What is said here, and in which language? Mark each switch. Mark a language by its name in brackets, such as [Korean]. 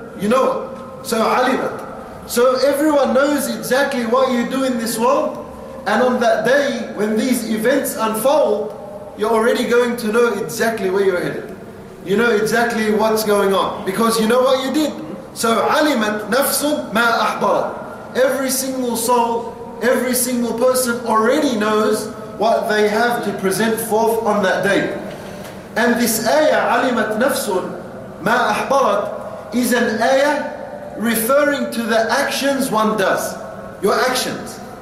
[English] You know it. So عَلِمَتْ. So everyone knows exactly what you do in this world, and on that day, when these events unfold, you're already going to know exactly where you're headed. You know exactly what's going on, because you know what you did. [Arabic] So عَلِمَتْ نَفْسٌ مَا أَحْضَرَتْ. [English] Every single soul, every single person already knows what they have to present forth on that day. And this ayah, [Arabic] عَلِمَتْ نَفْسٌ مَا أَحْضَرَتْ, [English] is an ayah referring to the actions one does, your actions.